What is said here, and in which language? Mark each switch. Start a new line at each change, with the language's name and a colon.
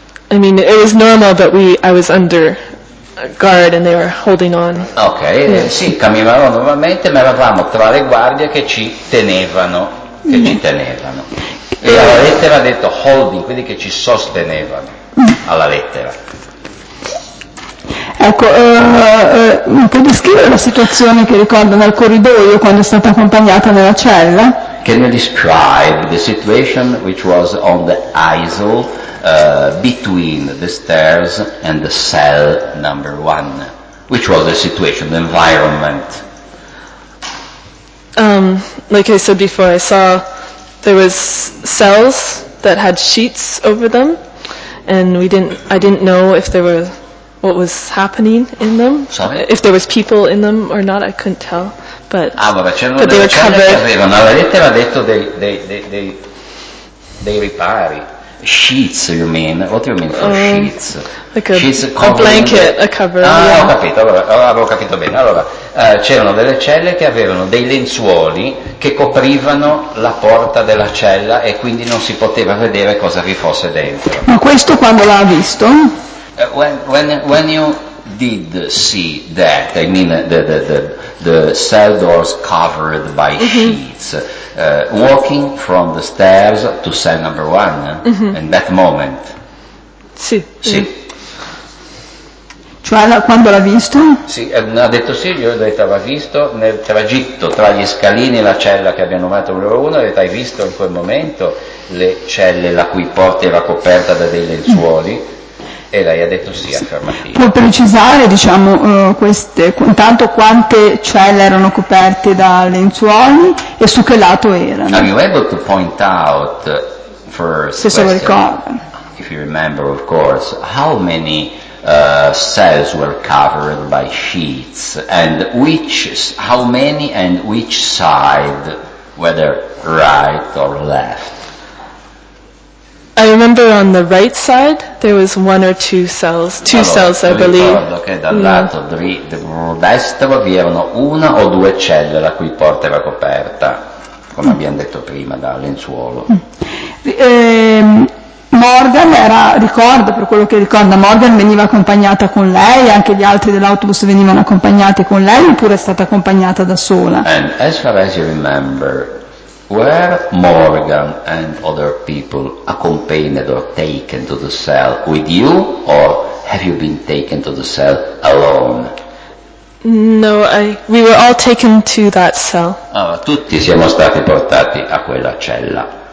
English: I mean, it was normal, but I was under guard and they were holding on. Ok, yes.
Italian: Sì, camminavamo normalmente, ma eravamo tra le guardie che ci tenevano, che ci tenevano. E alla lettera ha detto holding, quindi che ci sostenevano, alla lettera. Ecco, puoi descrivere la situazione che ricordo nel corridoio quando è stata accompagnata nella cella?
English: Can you describe the situation which was on the aisle between the stairs and the cell number one? Which was the situation, the environment? Like I said before, I saw there was cells that had sheets over them, and I didn't know if there were what was happening in them. Sorry? If there was people in them or not, I couldn't tell. Allora, c'erano delle celle che avevano, la lettera ha detto dei ripari, sheets, you mean, what do you mean for sheets? Like a blanket, a cover. Ah, yeah.
Italian: Ho capito bene, allora, c'erano delle celle che avevano dei lenzuoli che coprivano la porta della cella e quindi non si poteva vedere cosa vi fosse dentro. Ma questo quando l'ha visto?
English: When you did see that, I mean the cell doors covered by sheets, walking from the stairs to cell number one, in that moment.
Italian: Sì. Sì. Cioè, quando l'ha visto? Sì, ha detto sì, io ho detto l'ha visto nel tragitto tra gli scalini e la cella che abbiamo fatto numero uno, ha detto hai visto in quel momento le celle la cui porta era coperta da dei lenzuoli? E lei ha detto sì, affermativo. Può precisare, diciamo, queste, intanto quante celle erano coperte da lenzuoli e su che lato erano?
English: Are you able to point out first?
Italian: Se se lo ricordo.
English: If you remember, of course, how many cells were covered by sheets and which side, whether right or left? I remember on the right side there was one or two cells,
Italian: ricordo,
English: I believe.
Italian: Che dal lato destro vi erano una o due celle la cui porta era coperta, come abbiamo detto prima, da lenzuolo. Morgan era, ricordo, per quello che ricorda, Morgan veniva accompagnata con lei, anche gli altri dell'autobus venivano accompagnati con lei, oppure è stata accompagnata da sola?
English: And as far as you remember, were Morgan and other people accompanied or taken to the cell with you, or have you been taken to the cell alone? No, we were all taken to that cell.
Italian: Allora, tutti siamo stati portati a quella cella.